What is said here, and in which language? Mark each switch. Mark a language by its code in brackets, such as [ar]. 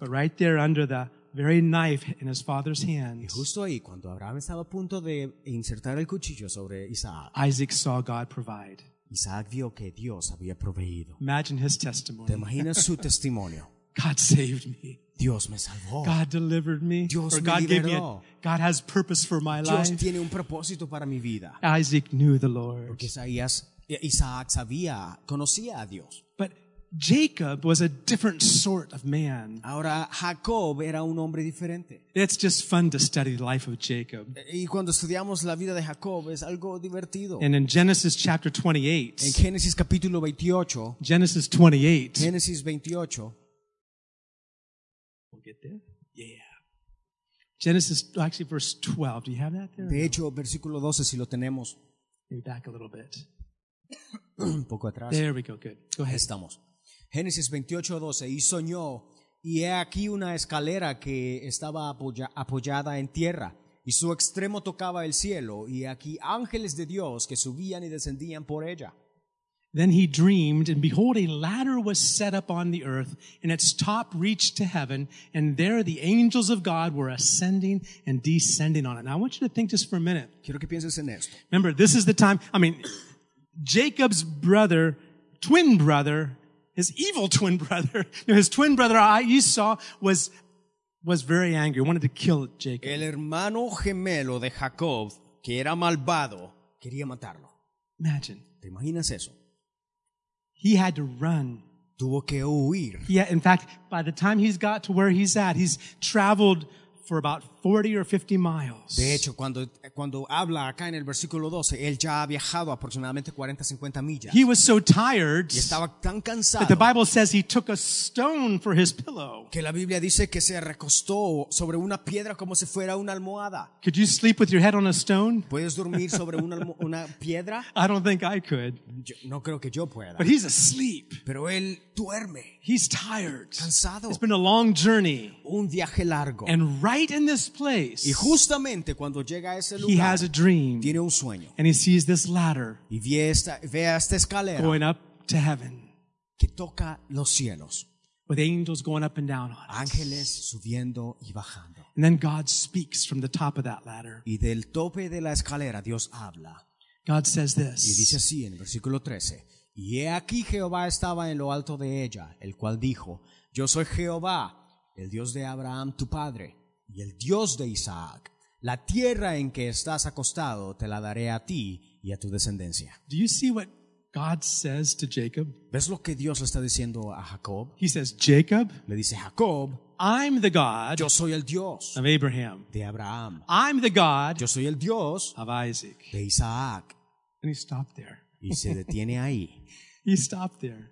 [en] But right there under the very knife in his father's hand. [es] Y justo ahí, cuando Abraham estaba a punto de insertar el cuchillo sobre Isaac, [en] Isaac saw God provide. [es] Isaac vio que Dios había proveído. [en] Imagine his testimony. [es] ¿Te imaginas su testimonio? [en] God saved me. [es] Dios me salvó. [en] God delivered me. [es] Dios [en] God [es] me liberó. [en] Gave me God has purpose for my [es] Dios [en] life. [es] Dios tiene un propósito para mi vida. [en] Isaac knew the Lord. [es] Porque Isaac sabía, conocía a Dios. [en] But Jacob was a different sort of man. [es] Ahora Jacob era un hombre diferente. [en] It's just fun to study the life of Jacob. [es] Y cuando estudiamos la vida de Jacob es algo divertido. [en] And in Genesis chapter 28. [es] En Génesis capítulo 28. [en] Genesis 28. [es] Génesis 28. [en] We'll get there. Yeah. Genesis actually verse 12. Do you have that there? [es] De hecho, versículo 12 si lo tenemos. [en] Maybe back a little bit. [es] Un poco atrás. [en] There we go. Good. Go ahead. [es] Estamos. Génesis 28, 12. Y soñó, y he aquí una escalera que estaba apoyada en tierra, y su extremo tocaba el cielo, y aquí ángeles de Dios que subían y descendían por ella. [en] Then he dreamed, and behold, a ladder was set up on the earth, and its top reached to heaven, and there the angels of God were ascending and descending on it. Now I want you to think just for a minute. [es] Quiero que pienses en esto. [en] Remember, this is the time, I mean, Jacob's brother, twin brother, his evil twin brother, his twin brother Esau was very angry, wanted to kill Jacob. [es] El hermano gemelo de Jacob, que era malvado, quería matarlo. [en] Imagine. [es] ¿Te imaginas eso? [en] He had to run. [es] Tuvo que huir. [en] Yeah, in fact, by the time he's got to where he's at, he's traveled for about 40 or 50 miles. [es] De hecho, cuando habla acá en el versículo 12, él ya ha viajado aproximadamente 40, 50 millas. [en] He was so tired. [es] Y estaba tan cansado. [en] That the Bible says he took a stone for his pillow. [es] Que la Biblia dice que se recostó sobre una piedra como si fuera una almohada. [en] Could you sleep with your head on a stone? [es] ¿Puedes dormir sobre una piedra? [en] I don't think I could. [es] No creo que yo pueda. [en] But he's asleep. [es] Pero él duerme. [en] He's tired. [es] Cansado. [en] It's been a long journey. [es] Un viaje largo. [en] And right in this place. [es] Y justamente cuando llega a ese lugar, [en] he has a dream. [es] Tiene un sueño. [en] And he sees this ladder. [es] Y ve esta escalera. [en] Going up to heaven. [es] Que toca los cielos. [en] With angels going up and down on it. [es] Ángeles subiendo y bajando. [en] And then God speaks from the top of that ladder. [es] Y del tope de la escalera Dios habla. [en] God says this. [es] Y dice así en el versículo 13. Y he aquí Jehová estaba en lo alto de ella, el cual dijo, yo soy Jehová, el Dios de Abraham tu padre, y el Dios de Isaac. La tierra en que estás acostado te la daré a ti y a tu descendencia. [en] Do you see what God says to Jacob? [es] ¿Ves lo que Dios le está diciendo a Jacob? [en] He says, Jacob, [es] le dice, Jacob, [en] I'm the God, [es] yo soy el Dios [en] of Abraham. [es] De Abraham. [en] I'm the God, [es] yo soy el Dios [en] of Isaac. [es] De Isaac. [en] And he stopped there. [es] Y se detiene ahí. [en] He stopped there.